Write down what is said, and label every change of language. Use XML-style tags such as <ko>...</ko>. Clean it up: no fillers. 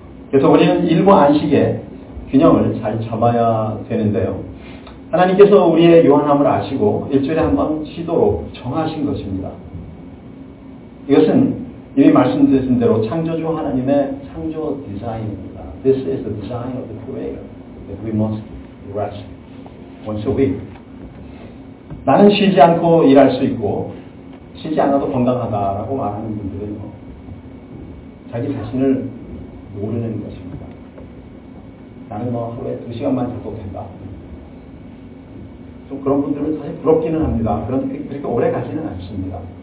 <ko>그래서 우리는 일과 안식의 균형을 잘 잡아야 되는데요. 하나님께서 우리의 요한함을 아시고 일주일에 한 번 쉬도록 정하신 것입니다. 이것은 이미 말씀드린 대로 창조주 하나님의 창조 디자인입니다.</ko> <en>This is the design of the Creator that we must rest once a week.</en> <ko>나는 쉬지 않고 일할 수 있고 쉬지 않아도 건강하다라고 말하는 분들은 자기 자신을 모르는 것입니다. 나는 뭐 하루에 두 시간만 자도 된다. 좀 그런 분들은 사실 부럽기는 합니다. 그런데 그렇게 오래 가지는 않습니다.</ko>